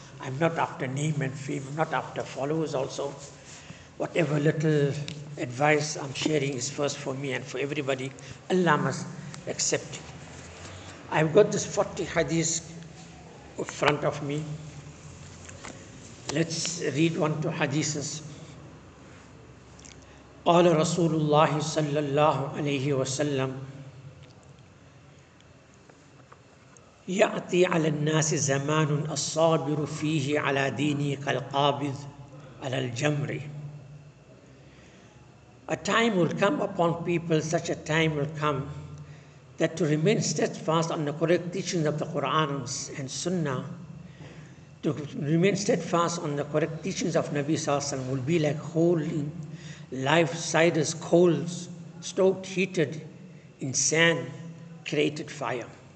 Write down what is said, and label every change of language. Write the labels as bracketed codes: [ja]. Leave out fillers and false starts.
[en] I'm not after name and fame, not after followers also. Whatever little advice I'm sharing is first for me and for everybody. Allah must accept. I've got this 40 hadiths in front of me. Let's read one two hadiths. [ar] قال رسول الله صلى الله عليه وسلم يأتي على الناس زمان الصابر فيه على ديني كالقابض على الجمر. [en] A time will come upon people, such a time will come, that to remain steadfast on the correct teachings of the Quran and Sunnah, to remain steadfast on the correct teachings of Nabi Sallallahu Alaihi Wasallam will be like holding live cider's coals stoked, heated in sand, created fire.